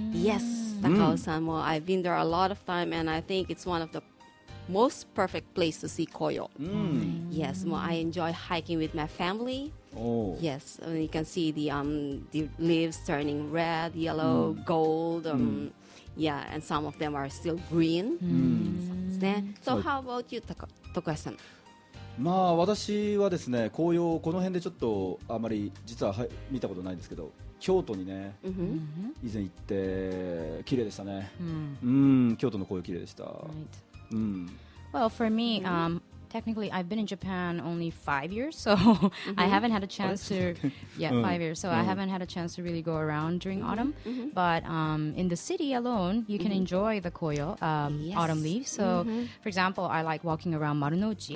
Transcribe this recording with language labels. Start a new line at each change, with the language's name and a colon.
English: Yes, 高尾山 Well, I've been there a lot of time And I think it's one of the most perfect place to see Koyo、うん、 Yes, well, I enjoy hiking with my family Oh. Yes, you can see the leaves turning red, yellow,、うん、gold、うんYeah, and some of them are still green.、 Mm-hmm. So how about you, Tokuya-san?
Japanese: まあ私はですね、紅葉この辺でちょっとあまり実は見たことないんですけど、京都にね、 mm-hmm. 以前行って綺麗でしたね。 Mm-hmm. 京都の紅葉綺麗でした。
English: Right. Mm-hmm. Well, for me,、mm-hmm. Technically, I've been in Japan only 5 years, so、mm-hmm. I haven't had a chance to. Yeah, 5 years, so、mm-hmm. I haven't had a chance to really go around during mm-hmm. autumn. Mm-hmm. But、in the city alone, you can、mm-hmm. enjoy the koyo、 yes. autumn leaves. So,、mm-hmm. for example, I like walking around Marunouchi.